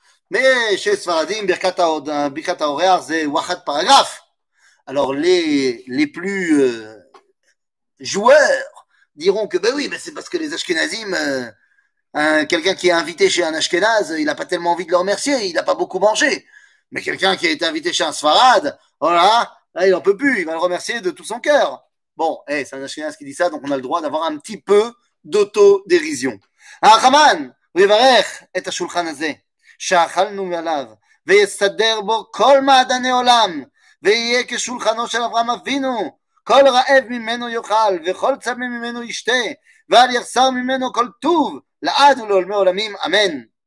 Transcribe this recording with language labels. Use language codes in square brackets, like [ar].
[he] משל ספרדים, ברכת האורח זה וחד פרגרף. [fr] Alors les plus joueurs diront que ben oui, ben c'est parce que les Ashkenazim, quelqu'un qui est invité chez un Ashkenaz, il n'a pas tellement envie de le remercier, il n'a pas beaucoup mangé. Mais quelqu'un qui a été invité chez un Sfarad, voilà, là, il n'en peut plus, il va le remercier de tout son cœur. Bon, hey, c'est un Ashkenaz qui dit ça, donc on a le droit d'avoir un petit peu d'auto-dérision. [he] Ah, Raman הוא יברך את השולחן הזה שאכלנו מעליו ויסדר בו כל מעדני עולם ויהיה כשולחנו של אברהם אבינו כל רעב ממנו יאכל וכל צמא ממנו ישתה ואל יחסר ממנו כל טוב לעד ולעולמי עולמים אמן